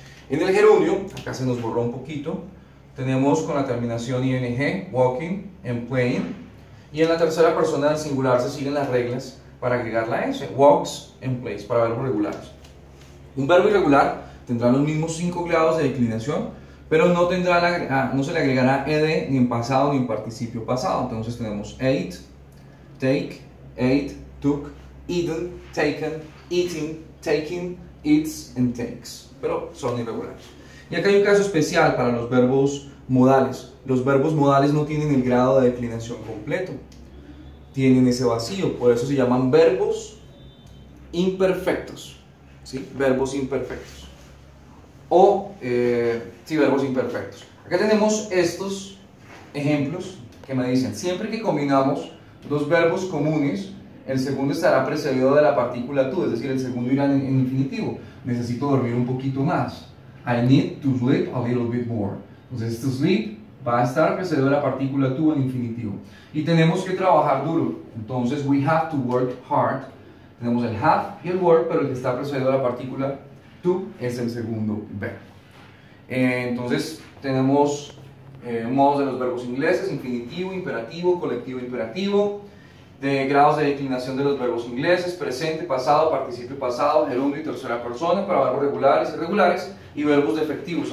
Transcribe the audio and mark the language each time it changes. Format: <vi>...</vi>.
<es>En el gerundio, acá se nos borró un poquito, tenemos con la terminación ing,</es> <en>walking and playing,</en> <es>y en la tercera persona del singular se siguen las reglas para agregar la s,</es> <en>walks and plays,</en> <es>para verbos regulares. Un verbo irregular tendrá los mismos 5 grados de declinación, pero no tendrá no se le agregará ed ni en pasado ni en participio pasado. Entonces tenemos</es> <en>ate, take, ate, took, eaten, taken, eating, taking, eats and takes.</en> <es>Pero son irregulares. Y acá hay un caso especial para los verbos modales. Los verbos modales no tienen el grado de declinación completo. Tienen ese vacío. Por eso se llaman verbos imperfectos. ¿Sí? Verbos imperfectos. O verbos imperfectos. Acá tenemos estos ejemplos que me dicen: siempre que combinamos dos verbos comunes, el segundo estará precedido de la partícula to, es decir, el segundo irá en infinitivo. Necesito dormir un poquito más.</es> <en>I need to sleep a little bit more.</en> <es>Entonces, to sleep va a estar precedido de la partícula to en infinitivo. Y tenemos que trabajar duro.</es> <en>Entonces, we have to work hard.</en> <es>Tenemos el have y el work, pero el que está precedido de la partícula to es el segundo verbo. Entonces tenemos modos de los verbos ingleses: infinitivo, imperativo, colectivo, imperativo, de grados de declinación de los verbos ingleses: presente, pasado, participio pasado, gerundio y tercera persona para verbos regulares, irregulares y verbos defectivos.</es>